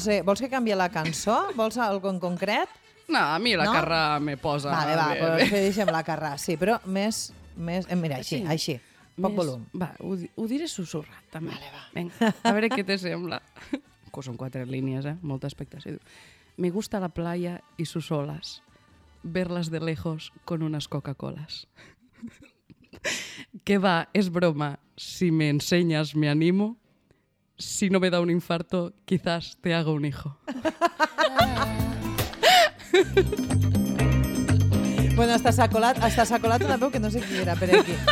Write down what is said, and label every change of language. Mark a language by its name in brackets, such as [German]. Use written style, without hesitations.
[Catalan] Vols que canvia la cançó? Vols algo en concret? No, a mi la no? Carrà me posa... Vale, va, deixem la Carrà, sí, però més... mira, així. Poc més... volum. Va, ho diré susurrat, també. Vale, va. Venga, a veure què te sembla. Que són quatre línies, molta expectació. [Spanish] Me gusta la playa y sus olas, verlas de lejos con unas Coca-Colas. Que va, es broma, si me enseñas me animo, si no me da un infarto, quizás te hago un hijo. [Catalan] Bueno, hasta s'ha colat una veu que no sé qui era, però aquí.